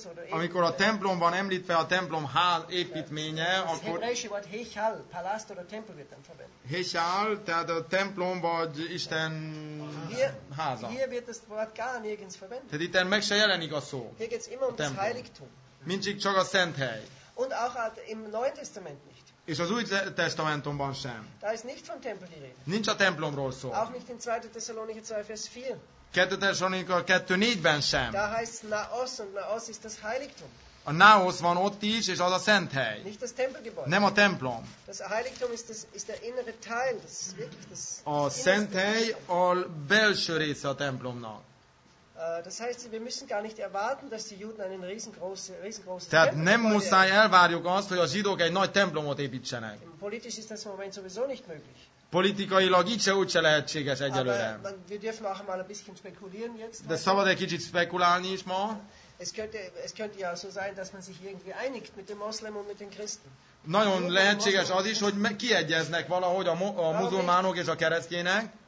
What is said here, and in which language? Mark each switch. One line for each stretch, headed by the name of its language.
Hungarian: Amikor a templom van említve, a templom ház építménye, akkor
German: Heshal, palast oder tempel wird dann verwendet.
Hungarian: Heshal, tehát a templom vagy Isten háza.
German: Hier wird das Wort gar nirgends verwendet.
Hungarian: Tehát itt meg se jelenik a szó.
German: Hier geht's immer um das Heiligtum.
Hungarian: Mindig csak a szent hely.
German: Und auch im Neuen Testament nicht.
Hungarian: És az Új Testamentumban sem.
German: Da ist nicht vom Tempel die Rede.
Hungarian: Nincs a templomról szó.
German: Auch nicht in 2. Thessalonicher 2, Vers 4.
Hungarian: 2. Thessalonicher 2:4-ben sem.
German: Da heißt Naos, und Naos ist das Heiligtum.
Hungarian: A Naos van ott is, és az a szent hely.
German: Nicht das Tempelgebäude.
Hungarian: Nem a templom.
German: Das Heiligtum ist der innere Teil. Das ist wirklich das.
Hungarian: A szent hely a belső része a templomnak.
German: Das heißt, wir müssen gar nicht erwarten, dass die Juden einen riesengroßen Tempel bauen.
Hungarian: Nem muszáj elvárjuk azt, hogy a zsidók egy nagy templomot építsenek.
German: Politisch ist das im Moment sowieso nicht möglich.
Hungarian: Politikailag így se úgyse lehetséges egyelőre.
German: Aber wir dürfen auch mal ein bisschen spekulieren jetzt.
Hungarian: De szabad egy kicsit spekulálni is ma.
German: Es könnte ja so sein, dass man sich irgendwie einigt mit dem Moslem und mit den Christen.
Hungarian: Nagyon lehetséges az is, hogy kiegyeznek valahogy a muzulmánok és a keresztények.